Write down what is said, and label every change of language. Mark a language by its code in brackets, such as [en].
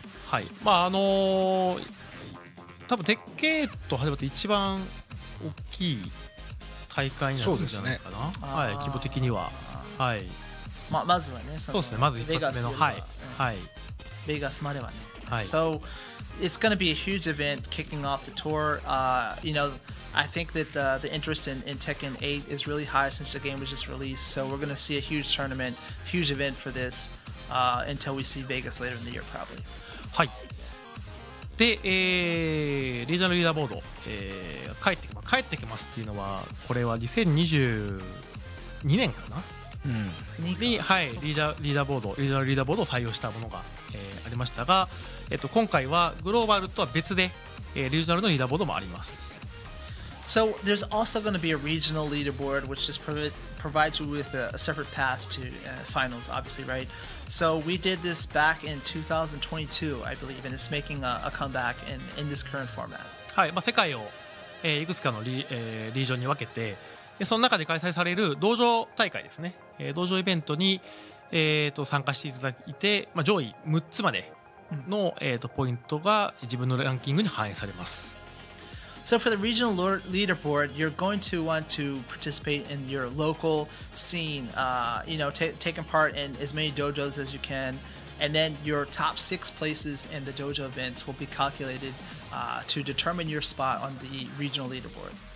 [ja] はい、まあ多分テッケーと始まって一番大きい大会になるんじゃないかな、ね、はい、規模的には。はい、まあ、まずはね、そうですね、まず一発目の、はい、はい、ベガスまではね、はい、 [en] So it's gonna be a huge event kicking off the tour. You know, I think that the interest in Tekken 8 is really high since the game was just released, so we're gonna see a huge tournament, huge event for this until we see Vegas later in the year probably. [ja] はい。で、リージョナルリーダーボード、帰ってきますっていうのは、これは2022年かな、うん、はい、リージョナルリーダーボードを採用したものが、ありましたが、今回はグローバルとは別で、リージョナルのリーダーボードもあります。 [en] So there's also going to be a regional leaderboard which just provides you with a separate path to finals, obviously, right? So we did this back in 2022, I believe, and it's making a comeback in this current format. [ja] はい、まあ、世界を、いくつかの リージョンに分けて、でその中で開催される道場大会ですね、道場イベントに、参加していただいて、まあ、上位6つまでの、ポイントが自分のランキングに反映されます。 [en] So for the regional leaderboard, you're going to want to participate in your local scene, you know, taking part in as many dojos as you can, and then your top six places in the dojo events will be calculated to determine your spot on the regional leaderboard.